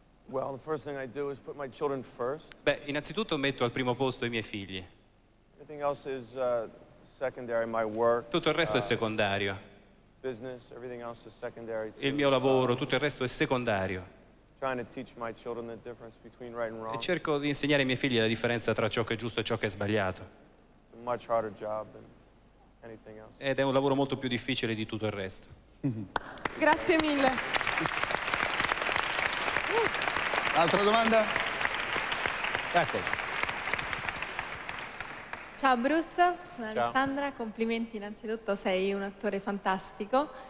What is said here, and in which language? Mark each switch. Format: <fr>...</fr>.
<en>Well, the first thing I do is put my children first.</en> <it>Beh, innanzitutto metto al primo posto i miei figli.</it> <en>Everything else is secondary, my work.</en> <it>Tutto il resto è secondario.</it> <en>Business, everything else is secondary to,</en> <it>il mio lavoro, tutto il resto è secondario.</it> <en>Trying to teach my children the difference between right and wrong.</en> <it>E cerco di insegnare ai miei figli la differenza tra ciò che è giusto e ciò che è sbagliato.</it> <en>It's a much harder job than anything else.</en> <it>Ed è un lavoro molto più difficile di tutto il resto. Grazie mille. Altra domanda? Ecco. Ciao Bruce, sono Alessandra, complimenti innanzitutto, sei un attore fantastico.</it>